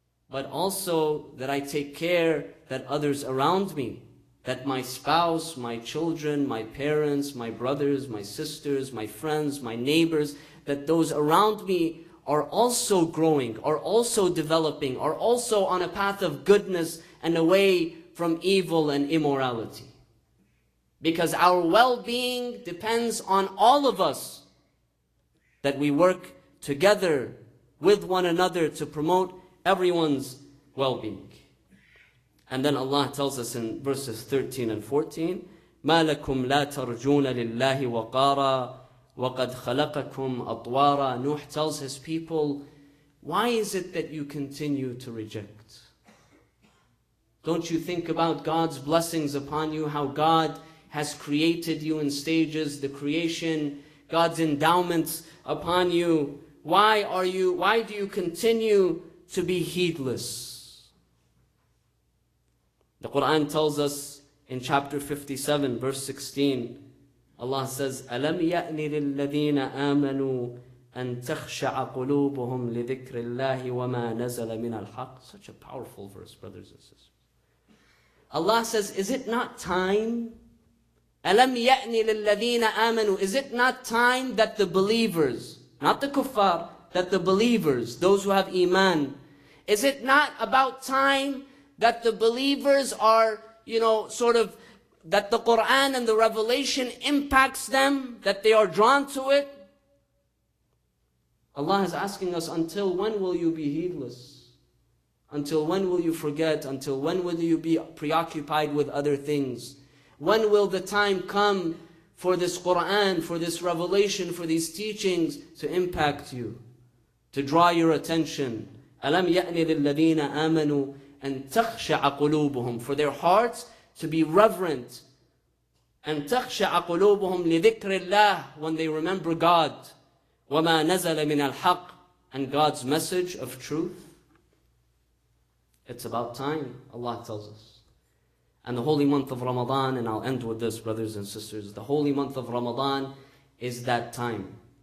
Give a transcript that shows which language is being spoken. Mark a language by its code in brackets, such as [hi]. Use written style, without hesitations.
[en] but also that I take care that others around me, that my spouse, my children, my parents, my brothers, my sisters, my friends, my neighbors, that those around me are also growing, are also developing, are also on a path of goodness and away from evil and immorality. Because our well-being depends on all of us, that we work together with one another to promote everyone's well-being. And then Allah tells us in verses 13 and 14, [ar] مَا لَكُمْ لَا تَرْجُونَ لِلَّهِ وَقَارًا وَقَدْ خَلَقَكُمْ أَطْوَارًا. [en] Nuh tells his people, why is it that you continue to reject? Don't you think about God's blessings upon you, how God has created you in stages, the creation, God's endowments upon you? Why do you continue to be heedless? The Quran tells us in chapter 57, verse 16, Allah says, [ar] أَلَمْ يَأْنِ لِلَّذِينَ آمَنُوا أَن تَخْشَعَ قُلُوبُهُمْ لِذِكْرِ اللَّهِ وَمَا نَزَلَ مِنَ الْحَقِّ. [en] Such a powerful verse, brothers and sisters. Allah says, is it not time? [ar] أَلَمْ يَأْنِ لِلَّذِينَ آمَنُوا. [en] Is it not time that the believers, not the kuffar, that the believers, those who have iman, is it not about time that the believers are, you know, sort of, that the Quran and the revelation impacts them, that they are drawn to it. Allah is asking us, until when will you be heedless? Until when will you forget? Until when will you be preoccupied with other things? When will the time come for this Quran, for this revelation, for these teachings to impact you, to draw your attention? [ar] أَلَمْ يَأْنِ لِلَّذِينَ آمَنُوا أَن تَخْشَعَ قُلُوبُهُمْ, [en] for their hearts to be reverent. [ar] أَن تَخْشَعَ قُلُوبُهُمْ لِذِكْرِ اللَّهِ, [en] when they remember God. [ar] وَمَا نَزَلَ مِنَ الْحَقِّ, [en] and God's message of truth. It's about time, Allah tells us. And the holy month of Ramadan, and I'll end with this, brothers and sisters, the holy month of Ramadan is that time.